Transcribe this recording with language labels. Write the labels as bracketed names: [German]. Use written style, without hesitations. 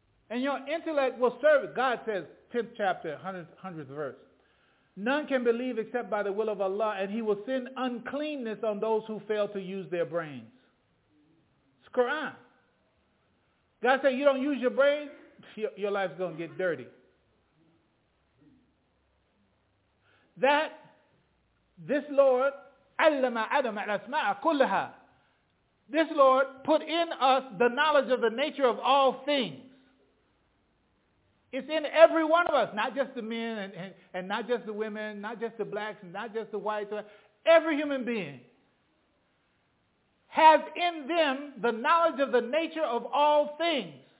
[English] And your intellect will serve, God says, 10th chapter, 100th verse. None can believe except by the will of Allah, and he will send uncleanness on those who fail to use their brains. It's Quran. God said, you don't use your brain, your life's going to get dirty. That this Lord, [Arabic] علم آدم الأسماء كلها. [English] This Lord put in us the knowledge of the nature of all things. It's in every one of us, not just the men and not just the women, not just the blacks, not just the whites. Every human being has in them the knowledge of the nature of all things.